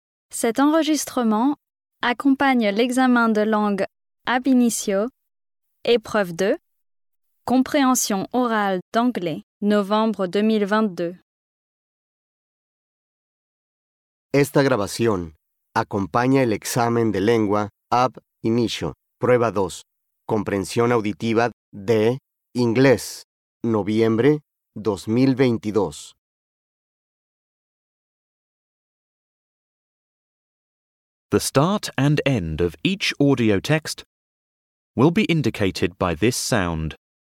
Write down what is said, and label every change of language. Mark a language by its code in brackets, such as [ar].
[fr] Cet enregistrement accompagne l'examen de langue ab initio, épreuve 2, compréhension orale d'anglais, novembre 2022. [es] Esta grabación acompaña el examen de lengua ab initio, prueba 2, comprensión auditiva de inglés, noviembre 2022. [en] The start and end of each audio text will be indicated by this sound.